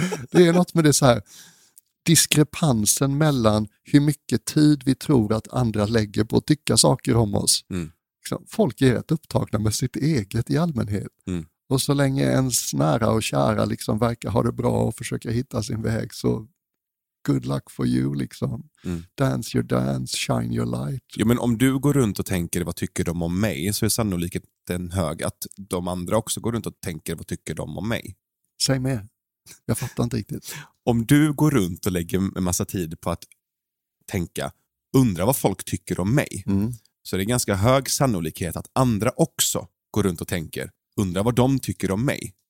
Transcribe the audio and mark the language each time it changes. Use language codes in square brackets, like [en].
[sv] Det är något med det så här. Diskrepansen mellan hur mycket tid vi tror att andra lägger på att tycka saker om oss. Mm. Folk är rätt upptagna med sitt eget i allmänhet. Mm. Och så länge ens nära och kära liksom verkar ha det bra och försöker hitta sin väg, så [en] good luck for you [sv] liksom. Mm. [en] Dance your dance, shine your light. [sv] Ja, men om du går runt och tänker vad tycker de om mig, så är sannolikheten hög att de andra också går runt och tänker vad tycker de om mig. Säg mer. Jag fattar inte riktigt. Om du går runt och lägger en massa tid på att tänka, undra vad folk tycker om mig, så är det ganska hög sannolikhet att andra också går runt och tänker, undra vad de tycker om mig.